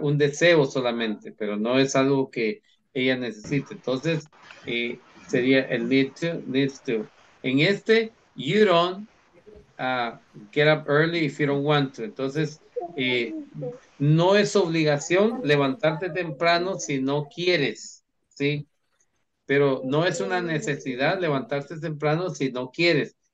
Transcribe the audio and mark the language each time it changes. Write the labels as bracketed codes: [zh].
[es] Un deseo solamente, pero no es algo que ella necesite. Entonces, sería el need to. En este, [en] you don't get up early if you don't want to. [es] Entonces, no es obligación levantarte temprano si no quieres. Sí, pero no es una necesidad levantarse temprano si no quieres.